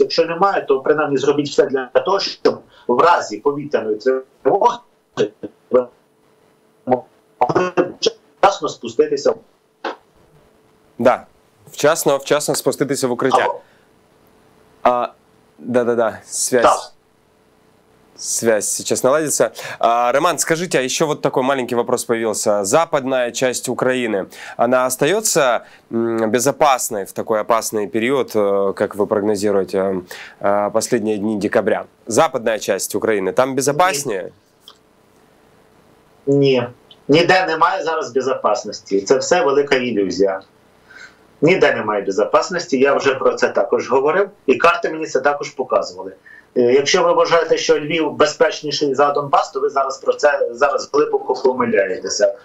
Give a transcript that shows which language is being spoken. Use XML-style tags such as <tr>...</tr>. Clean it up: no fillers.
<uk>Якщо немає, то принаймні зробіть все для того, щоб в разі повітряної тривоги ви могли вчасно спуститися. Да, вчасно спуститися в укриття.</uk> <ru>Да, связь. Так. Связь сейчас наладится. Роман, скажите, а еще вот такой маленький вопрос появился. Западная часть Украины, она остается безопасной в такой опасный период, как вы прогнозируете, последние дни декабря? Западная часть Украины, там безопаснее?</ru> <uk>Ні. Ніде немає зараз безопасности. Це все велика иллюзия. Ніде немає безопасности. Я вже про це також говорив. І карти мені це також показували. Якщо ви вважаєте, що Львів безпечніший за Донбас, то ви зараз глибоко помиляєтеся.</uk>